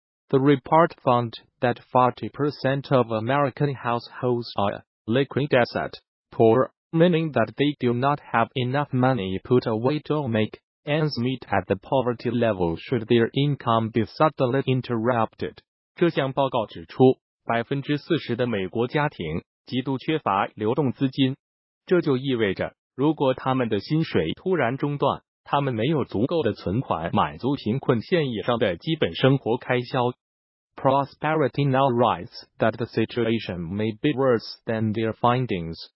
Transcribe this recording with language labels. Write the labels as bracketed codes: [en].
[en] The report found that 40% of American households are liquid asset poor, meaning that they do not have enough money put away to make ends meet at the poverty level should their income be suddenly interrupted. [zh] 这项报告指出 ,40% 的美国家庭极度缺乏流动资金。这就意味着如果他们的薪水突然中断，他们没有足够的存款满足贫困线以上的基本生活开销。 [en] Prosperity Now writes that the situation may be worse than their findings,